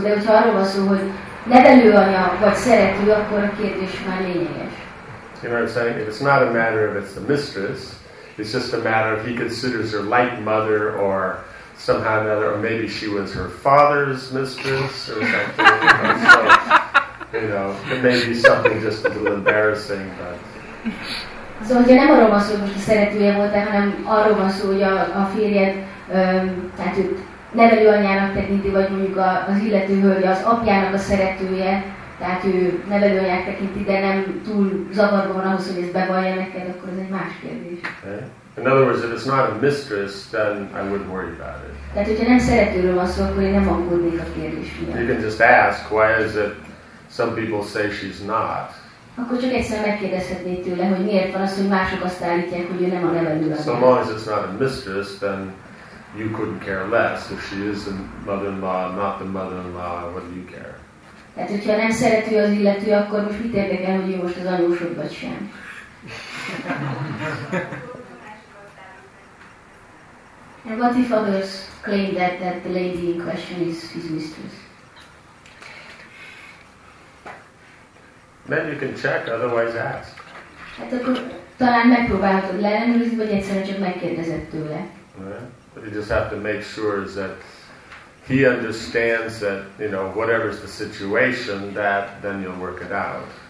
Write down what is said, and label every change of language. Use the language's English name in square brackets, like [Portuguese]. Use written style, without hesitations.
[Hungarian] De hogyha arról van szó, hogy nevelőanyja vagy szerető, akkor a kérdés már lényeges. [English] You know what I'm saying? If it's not a matter of it's the mistress, it's just a matter of he considers her like mother or somehow or another, or maybe she was her father's mistress or something. So, you know, it may be something just a little embarrassing, but. [Hungarian] So, hogyha nem arról van szó, hogy most a szeretője volt, hanem arról van szó, hogy a férjed, tehát őt nevelőanyjának tekinti, vagy mondjuk az illető hölgy az apjának a szeretője, tehát ő nevelőanyját tekinti, de nem túl zavarban van ahhoz, hogy ezt bevallja neked, akkor ez egy más kérdés. [English] In other words, if it's not a mistress, then I wouldn't worry about it. [Hungarian] Tehát, hogyha nem szeretőről van szó, akkor én nem aggódnék a kérdés miatt. [English] You can just ask, why is it some people say she's not? [Hungarian] Akkor csak egyszerűen megkérdezhetnéd tőle, hogy miért van az, hogy mások azt állítják, hogy ő nem a nevelőanyja. [English] So long as it's not a mistress, then you couldn't care less. If she is the mother-in-law, not the mother-in-law, what do you care? [Hungarian] Tehát, hogyha nem szerető az illető, akkor most mit érdekel, hogy ő most az anyósod vagy sem? [English] And what if others claim that the lady in question is his mistress? Then you can check, otherwise ask. [Hungarian] Hát akkor talán megpróbálhatod leellenőrizni, vagy egyszerűen csak megkérdezed tőle. [English] But you just have to make sure that he understands that, you know, whatever's the situation, that then you'll work it out.